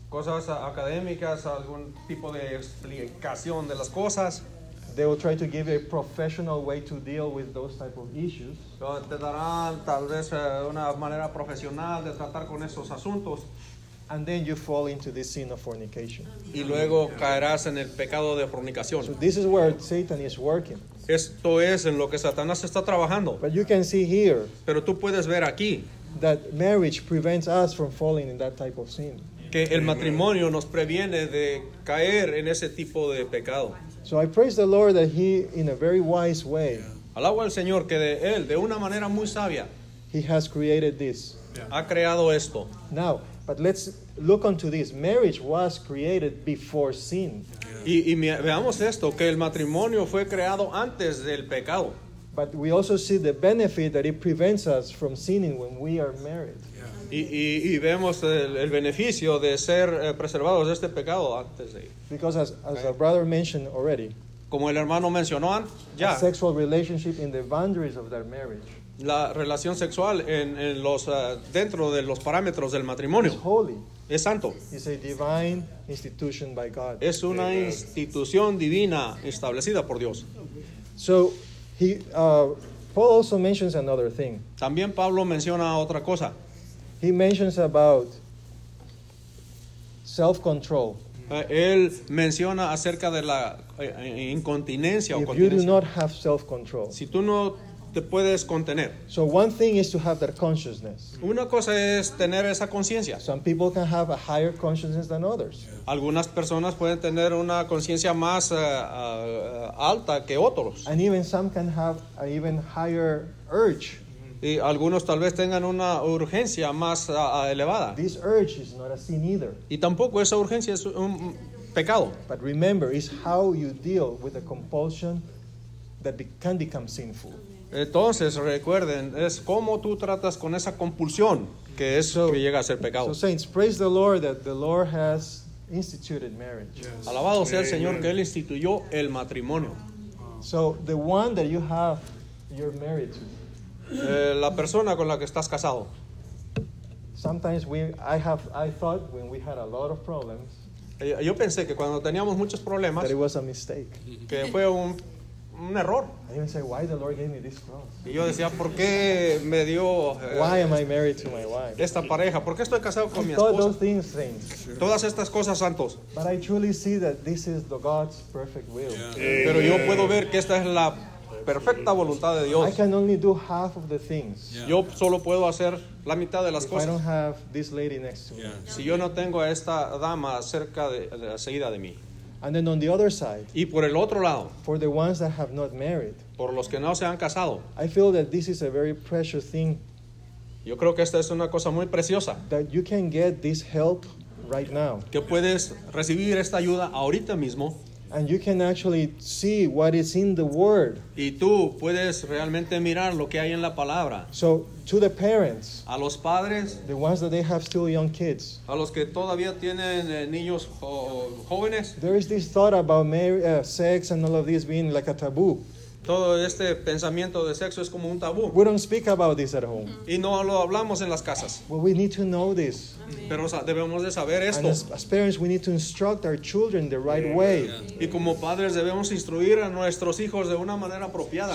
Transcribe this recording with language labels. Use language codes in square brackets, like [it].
[es] Cosas académicas, algún tipo de explicación de las cosas. [en] They will try to give a professional way to deal with those type of issues. [es] Te darán tal vez una manera profesional de tratar con esos asuntos. [en] And then you fall into this sin of fornication. [es] Y luego caerás en el pecado de fornicación. [en] So this is where Satan is working. [es] Esto es en lo que Satanás está trabajando. [en] But you can see here. [es] Pero tú puedes ver aquí. [en] That marriage prevents us from falling in that type of sin. [es] Que el matrimonio nos previene de caer en ese tipo de pecado. [en] So I praise the Lord that he, in a very wise way. [es] Alabo al Señor que de él, de una manera muy sabia. [en] He has created this. [es] Ha creado esto. [en] Now, but let's look onto this. Marriage was created before sin. Yeah. [es] Y veamos esto, que el matrimonio fue creado antes del pecado. [en] But we also see the benefit that it prevents us from sinning when we are married. [es] Yeah. Y vemos el beneficio de ser preservados de este pecado antes de. [en] Because as a brother mentioned already, [es] como el hermano mencionó ya, [en] a sexual relationship in the boundaries of their marriage. [es] La relación sexual en los dentro de los parámetros del matrimonio. [en] It's holy. [es] Es santo. [en] It's a divine institution by God. [es] Es una institución divina establecida por Dios. [en] So Paul also mentions another thing. [es] También Pablo menciona otra cosa. [en] He mentions about self-control. [es] Él menciona acerca de la incontinencia [en] if [es] o continencia. [en] You do not have self-control. [es] Si tú no te puedes contener. [en] So one thing is to have that consciousness. [es] Una cosa es tener esa conciencia. [en] Some people can have a higher consciousness than others. [es] Algunas personas pueden tener una conciencia más alta que otros. [en] And even some can have an even higher urge. [es] Y algunos tal vez tengan una urgencia más elevada. [en] This urge is not a sin either. [es] Y tampoco esa urgencia es un pecado. [en] But remember, it's how you deal with a compulsion that can become sinful. [es] Entonces, recuerden, es cómo tú tratas con esa compulsión que es que llega a ser pecado. [en] So saints, praise the Lord that the Lord has instituted marriage. Yes. [es] Alabado sea el Señor que Él instituyó el matrimonio. [en] So, the one that you have, you're married to. [es] La persona con la que estás casado. [en] Sometimes I thought when we had a lot of problems. [es] Yo pensé que cuando teníamos muchos problemas. [en] That it was a mistake. [es] Que fue un error. [en] I even say, why the Lord gave me this cross? [es] Y yo decía, ¿por qué me dio? [en] Why am I married to my wife? [es] Esta pareja, ¿por qué estoy casado con [en] I [es] mi esposa? [en] Thought those things, saints. [es] Todas estas cosas, santos. [en] But I truly see that this is the God's perfect will. Yeah. [es] Pero yo puedo ver que esta es la perfecta voluntad de Dios. [en] I can only do half of the things. Yeah. [es] Yo solo puedo hacer la mitad de las [en] if [es] cosas. [en] I don't have this lady next to me. Yeah. [es] Si yo no tengo a esta dama cerca de seguida de mí. [en] And then on the other side, [es] y por el otro lado, [en] for the ones that have not married, [es] por los que no se han casado, [en] I feel that this is a very precious thing. [es] Yo creo que esta es una cosa muy preciosa. [en] That you can get this help right now. [es] Que puedes recibir esta ayuda ahorita mismo. [en] And you can actually see what is in the word. [es] Y tú puedes realmente mirar lo que hay en la palabra. [en] So to the parents, [es] a los padres, [en] the ones that they have still young kids, [es] a los que todavía tienen niños jóvenes, [en] there is this thought about sex and all of this being like a taboo. [es] Todo este pensamiento de sexo es como un tabú. [en] We don't speak about this at home. [es] Y no lo hablamos en las casas. [en] But we need to know this. [es] Pero debemos de saber esto. [en] And as parents, we need to instruct our children the right way. Yeah. [es] Y como padres debemos instruir a nuestros hijos de una manera apropiada.